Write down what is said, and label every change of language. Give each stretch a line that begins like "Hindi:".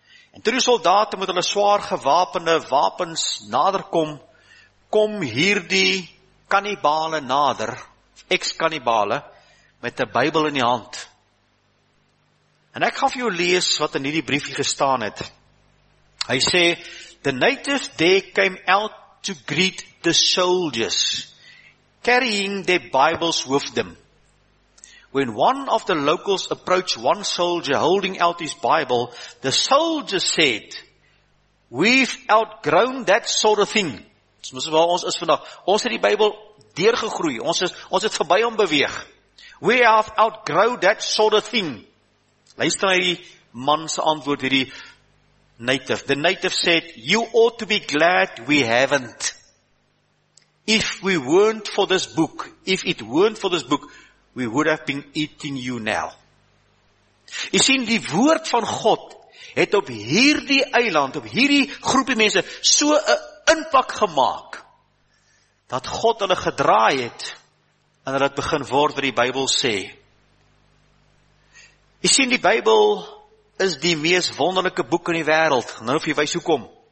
Afrikaans: En toe die soldate met hulle swaar gewapende wapens naderkom, kom hierdie kannibale nader, ex-kannibale, met 'n Bybel in die hand. En ek gaan vir jou lees wat in hierdie briefie gestaan het.
English: Hy sê, "The natives there came out to greet the soldiers, carrying their Bibles with them. When one of the locals approached one soldier holding out his Bible, the soldier said, 'We've outgrown that sort of thing.'"
Afrikaans: Dis mos waar ons is vandag. Ons het die Bybel deurgegroei. Ons het verby hom beweeg.
English: "We have outgrown that sort of thing."
Afrikaans: Luister na hierdie man se antwoord, hierdie native.
English: The native said, "You ought to be glad we haven't. If we weren't for this book, if it weren't for this book, we would have been eating you now."
Afrikaans: Jy sien, die woord van God het op hierdie eiland, op hierdie groepie mense, so 'n impak gemaak, dat God hulle gedraai het, en hulle het begin word wat die Bybel sê. Jy sien, die Bybel is die mees wonderlike boek in die wêreld, nou of jy wys hoekom.